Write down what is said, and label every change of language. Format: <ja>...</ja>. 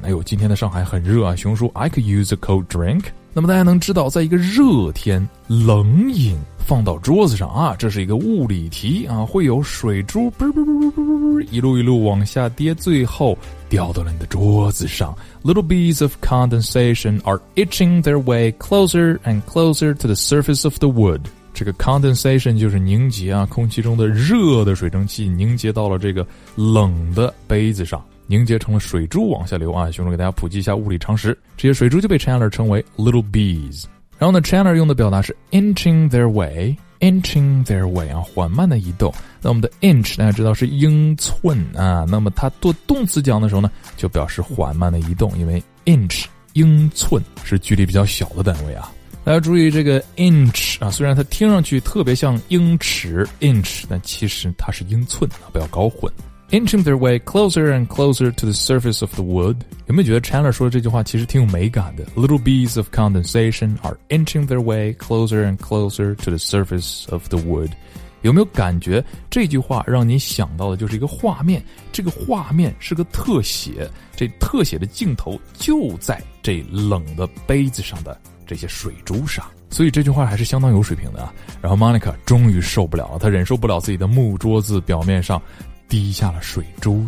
<zh>哎呦，今天的上海很热啊，熊叔</zh> <en>I could use a cold drink.</en> <zh>那么大家能知道在一个热天冷饮放到桌子上啊，这是一个物理题啊，会有水珠噗噗噗噗噗噗一路一路往下跌，最后掉到了你的桌子上。</zh> <en>Little beads of condensation are itching their way closer and closer to the surface of the wood.</en> <zh>这个 condensation 就是凝结啊，空气中的热的水蒸气凝结到了这个冷的杯子上，凝结成了水珠往下流啊。熊叔给大家普及一下物理常识，这些水珠就被 Chandler 称为 little beads。然后呢 Chandler 用的表达是</zh> <en>inching their way inching their way</en> <zh>啊，缓慢的移动。那我们的 inch 大家知道是英寸啊，那么它做动词讲的时候呢，就表示缓慢的移动，因为 inch 英寸是距离比较小的单位啊。大家注意这个 inch 啊，虽然它听上去特别像英尺 inch， 但其实它是英寸啊，不要搞混。</zh> <en>Inching their way closer and closer to the surface of the wood.</en> <zh>有没有觉得 Chandler 说的这句话其实挺有美感的？</zh> <en>Little beads of condensation are inching their way closer and closer to the surface of the wood.</en> <zh>有没有感觉这句话让你想到的就是一个画面？这个画面是个特写，这特写的镜头就在这冷的杯子上的这些水珠上。所以这句话还是相当有水平的啊。然后 Monica 终于受不了了，她忍受不了自己的木桌子表面上滴下了水珠。</zh>